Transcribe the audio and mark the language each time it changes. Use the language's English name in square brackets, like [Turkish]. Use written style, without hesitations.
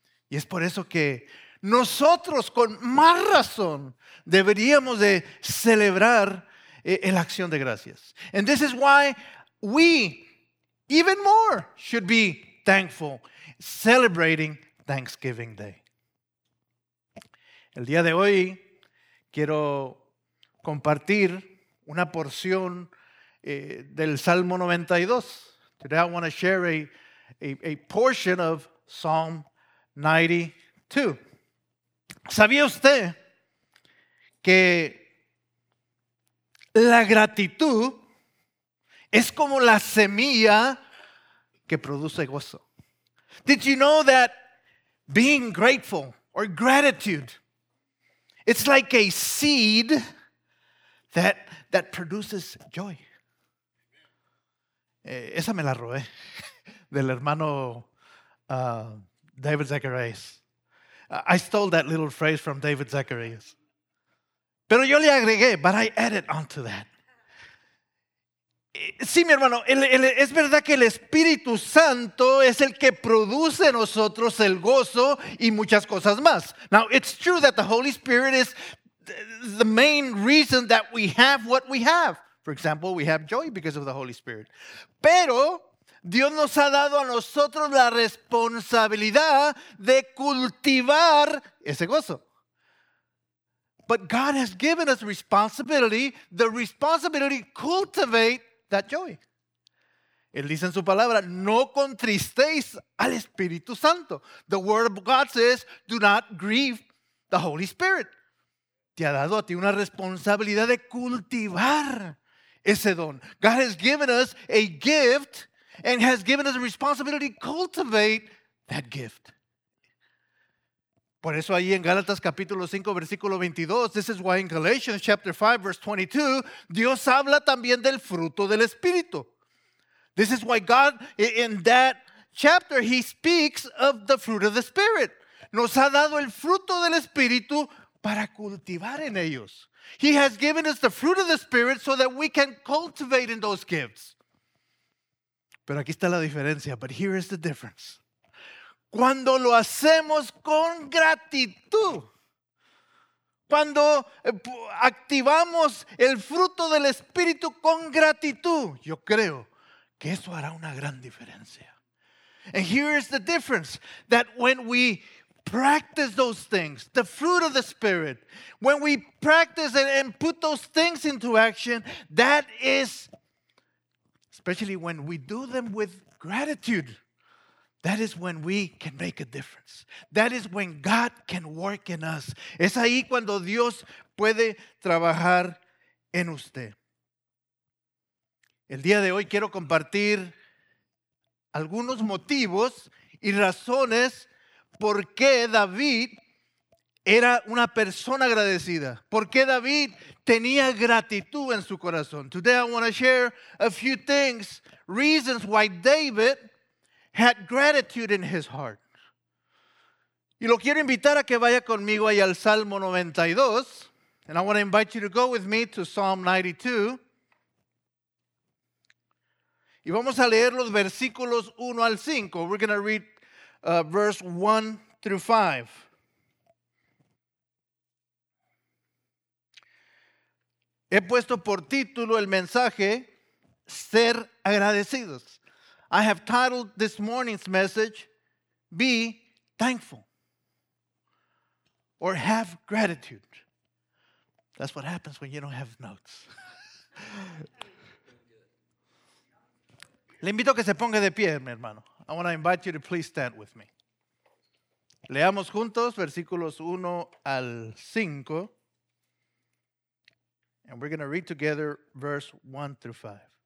[Spanish] Y es por eso que nosotros con más razón deberíamos de celebrar la acción de gracias. [English] And this is why we even more should be thankful, celebrating Thanksgiving Day. [Spanish] El día de hoy quiero compartir una porción del Salmo 92. [English] Today I want to share a portion of Psalm 92. [Spanish] ¿Sabía usted que la gratitud es como la semilla que produce gozo? [English] Did you know that being grateful or gratitude, it's like a seed that produces joy? [Spanish] Esa me la robé del hermano David Zacharias. [English] I stole that little phrase from David Zacharias. [Spanish] Pero yo le agregué, [English] but I added onto that. [Spanish] Sí, mi hermano, es verdad que el Espíritu Santo es el que produce nosotros el gozo y muchas cosas más. [English] Now, it's true that the Holy Spirit is the main reason that we have what we have. For example, we have joy because of the Holy Spirit. [Spanish] Pero Dios nos ha dado a nosotros la responsabilidad de cultivar ese gozo. [English] But God has given us the responsibility to cultivate that joy. [Spanish] Él dice en su palabra, no contristéis al Espíritu Santo. [English] The word of God says, do not grieve the Holy Spirit. [Spanish] Te ha dado a ti una responsabilidad de cultivar ese don. [English] God has given us a gift and has given us a responsibility to cultivate that gift. [Spanish] Por eso ahí en Gálatas capítulo 5, versículo 22, [English] this is why in Galatians chapter 5, verse 22, [Spanish] Dios habla también del fruto del Espíritu. [English] This is why God, in that chapter, he speaks of the fruit of the Spirit. [Spanish] Nos ha dado el fruto del Espíritu para cultivar en ellos. [English] He has given us the fruit of the Spirit so that we can cultivate in those gifts. [Spanish] Pero aquí está la diferencia, [English] but here is the difference. [Spanish] Cuando lo hacemos con gratitud, cuando activamos el fruto del Espíritu con gratitud, yo creo que eso hará una gran diferencia. [English] And here is the difference, that when we practice those things, the fruit of the Spirit, when we practice and put those things into action, that is, especially when we do them with gratitude, that is when we can make a difference. That is when God can work in us. [Spanish] Es ahí cuando Dios puede trabajar en usted. El día de hoy quiero compartir algunos motivos y razones por qué David era una persona agradecida. Por qué David tenía gratitud en su corazón. [English] Today I want to share a few things, reasons why David had gratitude in his heart. [Spanish] Y lo quiero invitar a que vaya conmigo ahí al Salmo 92. [English] And I want to invite you to go with me to Psalm 92. [Spanish] Y vamos a leer los versículos 1 al 5. [English] We're going to read verse 1 through 5. [Spanish] He puesto por título el mensaje, Ser Agradecidos. [English] I have titled this morning's message, Be Thankful, or Have Gratitude. That's what happens when you don't have notes. [Spanish] Le invito a que se ponga de pie, mi hermano. [English] I want to invite you to please stand with me. [Spanish] Leamos juntos versículos 1 al 5. [English] And we're going to read together verse 1 through 5.